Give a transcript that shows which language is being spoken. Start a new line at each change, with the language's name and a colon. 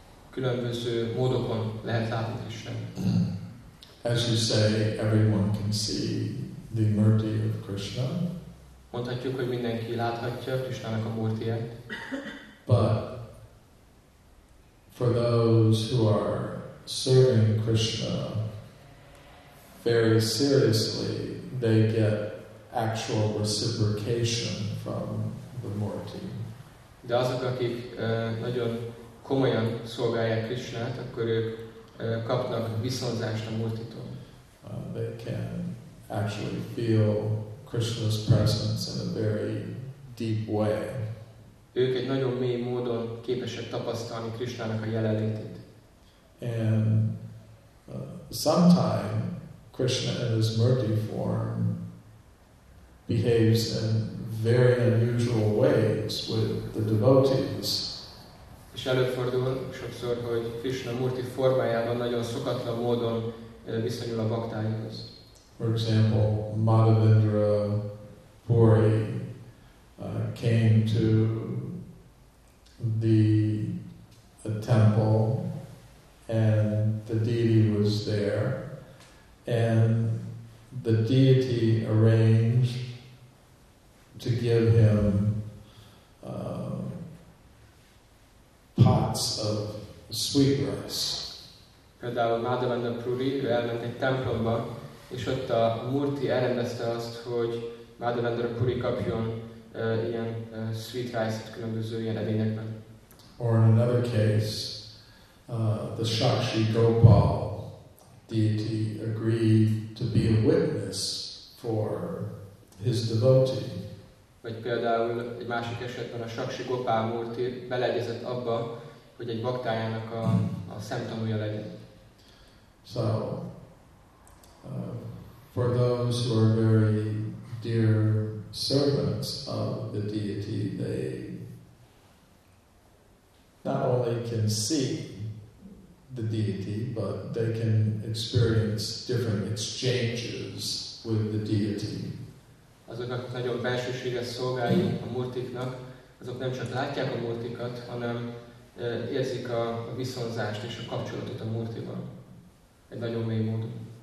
Hungarian: Különböző módokon lehet látni Krishna.
English: As you say, everyone can see the murti of Krishna.
Hungarian: Mondhatjuk, hogy mindenki láthatja Krishnának a murtiját.
English: But for those who are serving Krishna very seriously, they get actual reciprocation from the murti.
Hungarian: De azok, akik nagyon komolyan szolgálják Krishnát, akkor ők kapnak visszhangzást a murtitól.
English: They can actually feel Krishna's presence in a very deep way.
Hungarian: Ők egy nagyon mély módon képesek tapasztalni Krishnának a jelenlétét.
English: And sometime Krishna in his murti form behaves in very unusual ways with the devotees.
Hungarian: És előfordul sokszor, hogy Krishna murti formájában nagyon szokatlan módon viszonyul a baktáihoz.
English: For example, Madhavendra Puri came to the temple and the deity was there, and the deity arranged to give him pots of sweet rice.
Hungarian: Például Madhavendra Puri elment egy templomba, és ott a murti elrendezte azt, hogy Madhavendra Puri kapjon ilyen sweet rice-t különböző ilyen edényekben.
English: Or in another case, the Sakshi Gopal deity agreed to be a witness for his devotee.
Hungarian: Vagy például egy másik esetben a Sakshi Gopal murti beleegyezett abba, hogy egy baktájának a szemtanúja legyen.
English: So, for those who are very dear servants of the deity, they not only can see the deity, but they can experience different exchanges with the deity.
Hungarian: Azok, akik nagyon belsőséges szolgái a murtiknak, azok nem csak látják a murtikat, hanem érzik a viszonzást és a kapcsolatot a murtival. Egy nagyon mély módon.